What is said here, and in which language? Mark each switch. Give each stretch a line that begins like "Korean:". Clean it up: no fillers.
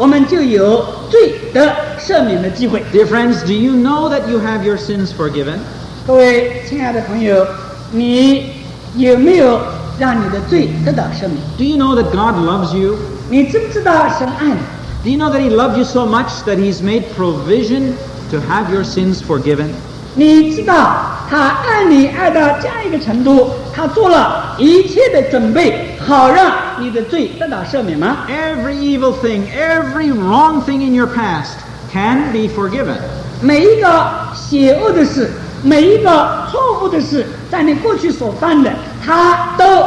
Chinese: 这个世上的时候，还活在这个地上的时候，我们就有罪的赦免的机会。
English: Dear friends, do you know that you have your sins forgiven?
Chinese: 各位亲爱的朋友，你有没有让你的罪得到赦免？
English: Do you know that God loves you?
Chinese: 你知不知道神爱你？
English: Do you know that He loves you so much that He's made provision to have your sins forgiven?
Chinese: 你知道他爱你爱到这样一个程度，他做了一切的准备，好让你的罪得到赦免吗？
English: Every evil thing, every wrong thing in your past can be forgiven.
Chinese: 每一个邪恶的事，每一个错误的事，在你过去所犯的，他都